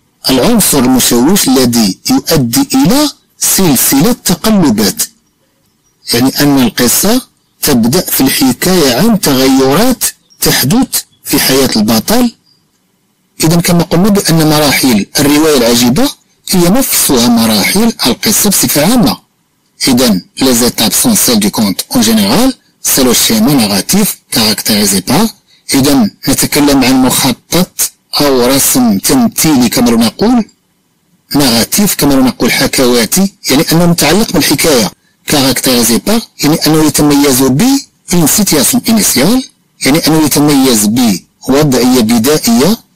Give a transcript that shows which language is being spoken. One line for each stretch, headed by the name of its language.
Arabic: العنصر المشوش الذي يؤدي إلى سلسلة تقلبات يعني أن القصة تبدأ في الحكاية عن تغيرات تحدث في حياة البطل. إذا كما قلنا بأن مراحل الرواية العجيبة هي نفسها مراحل القصة بصفة عامة.
French: إذا les étapes sont celles du conte en général, c'est le schéma narratif caractérisé par.
Arabic: إذا نتكلم عن مخطط أو رسم تمثيلي كما نقول. ناراتيف كما نقول حكواتي يعني أنه متعلق بالحكاية.
French: كاركتيريزي بار
Arabic: يعني أنه يتميز ب
French: إن سيتياسيون إنيسيال
Arabic: يعني أنه يتميز بوضعية بدائية.